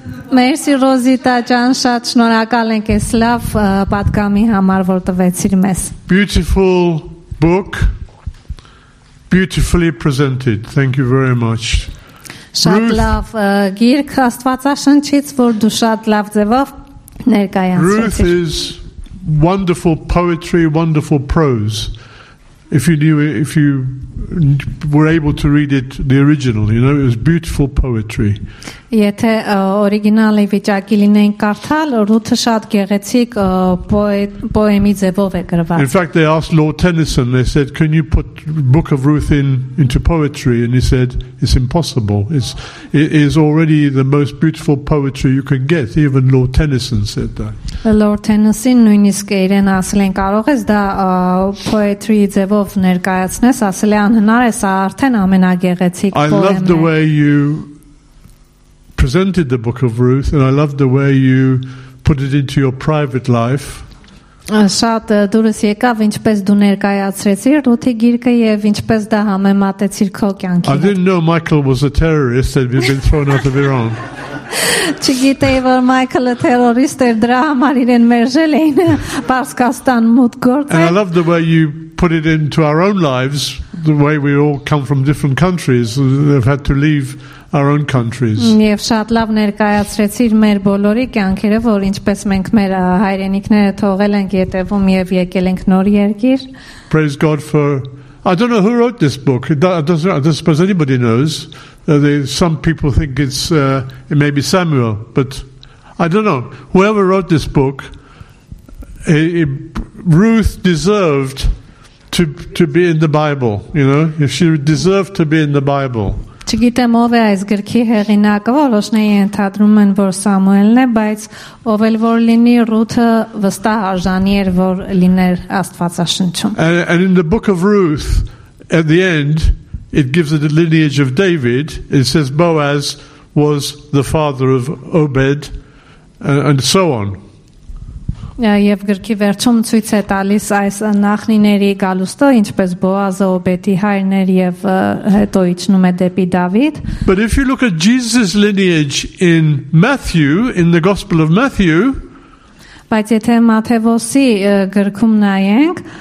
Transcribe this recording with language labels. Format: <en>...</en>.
<hy>Մերսի Ռոզիտա ջան, շատ շնորհակալ ենք այս լավ պատգամի համար, որ տվեցիր մեզ.</hy> <en>Beautiful book, beautifully presented. Thank you very much.</en> <hy>Շատ լավ գիրք Աստվածաշնչից, որ դու շատ լավ ձևով ներկայացրեցիր.</hy> <en>Ruth is wonderful poetry, wonderful prose. If you were able to read it, the original, you know, it was beautiful poetry.</en> <hy>Եթե օրիգինալի վիճակի լինեին կարդալ, Ռութը շատ գեղեցիկ պոեմի ձևով է գրված.</hy> <en>In fact, they asked Lord Tennyson, they said, can you put Book of Ruth into poetry? And he said, it's impossible. It is already the most beautiful poetry you can get. Even Lord Tennyson said that.</en> <hy>Lord Tennyson նույնիսկ իրեն ասել են, կարող ես դա poetry ձևով ներկայացնես, ասել է անհնար է, սա արդեն ամենագեղեցիկ</hy> <en>poem</en> <hy>է.</hy> <en>I love the way you presented the Book of Ruth, and I love the way you put it into your private life.</en> <hy>Շատ դուրս եկավ, ինչպես դու ներկայացրեցիր Ռութի գիրքը եւ ինչպես դա համեմատեցիր քո կյանքին։</hy> <en>I didn't know Michael was a terrorist, that he'd been thrown out of Iran.</en> <hy>Չգիտեի, որ Michael-ը terrorist էր, դրա համար իրեն մերժել էին Պարսկաստան մութ գործը։</hy> <en>And I love the way you put it into our own lives, the way we all come from different countries and have had to leave our own countries.</en> <hy>Եվ շատ լավ ներկայացրեցիր մեր բոլորի կյանքերը, որ ինչպես մենք մեր հայրենիքները թողել ենք յետևում եւ եկել ենք նոր երկիր.</hy> <en>Praise God for, I don't know who wrote this book. I don't suppose anybody knows. Some people think it may be Samuel, but I don't know. Whoever wrote this book, Ruth deserved to be in the Bible, you know. If she deserved to be in the Bible.</en> <hy>Չգիտեմ ով է այս գրքի հեղինակը, որոշնեի ենթադրում են, որ Սամուելն է, բայց ով էլ որ լինի, Ռութը վստահ արժանի էր, որ լիներ Աստվածաշնչում.</hy> <en>And in the Book of Ruth, at the end, it gives it a lineage of David. It says Boaz was the father of Obed, and so on.</en> <hy>Եվ գրքի վերջում ցույց է տալիս այս նախնիների գալուստը, ինչպես Բոազը Օբեդի հայրներ եւ հետո իջնում է դեպի Դավիթ.</hy> <en>But if you look at Jesus' lineage in Matthew, in the Gospel of Matthew,</en> <hy>բայց եթե Մաթեոսի գրքում նայենք,</hy>